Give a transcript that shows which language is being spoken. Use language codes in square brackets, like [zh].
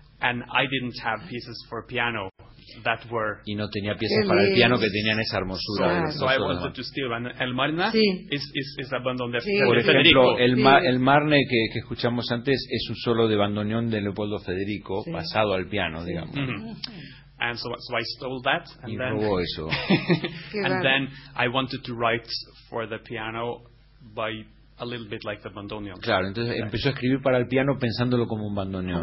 [en] And I didn't have pieces for piano that were. [es] Y no tenía piezas para el piano que tenían esa hermosura. [en] So I wanted to steal. And El Marne is a bandoneon de Federico. [es] Por ejemplo, el Marne que escuchamos antes es un solo de bandoneón de Leopoldo Federico, sí, pasado al piano, sí, digamos. [en] Mm-hmm. And so I stole that. And [es] y [en] then, [es] robó eso. [en] And then I wanted to write for the piano by a little bit like the bandoneon. [es] Claro, entonces empezó a escribir para el piano pensándolo como un bandoneón.